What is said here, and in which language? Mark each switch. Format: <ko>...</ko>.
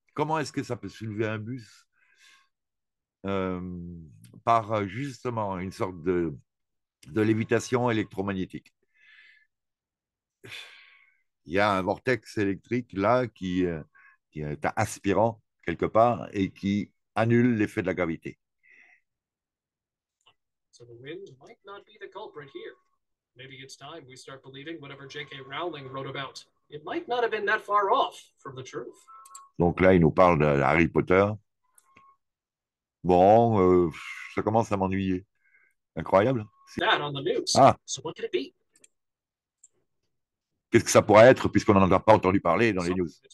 <fr>Comment est-ce que ça peut soulever un bus par, justement, une sorte de lévitation électromagnétique. Il y a un vortex électrique là qui est aspirant quelque part et qui annule l'effet de la gravité.</fr> <en>So the wind might not be the culprit here. Maybe it's time we start believing whatever J.K. Rowling wrote about. It might not have been that far off from the truth.</en> <fr>Donc là, il nous parle de Harry Potter. Bon, ça commence à m'ennuyer. Incroyable.</fr> <en>That on the news. Ah. So what could it be?</en> <fr>Qu'est-ce que ça pourrait être, puisqu'on n'en a pas entendu parler dans les news.</fr>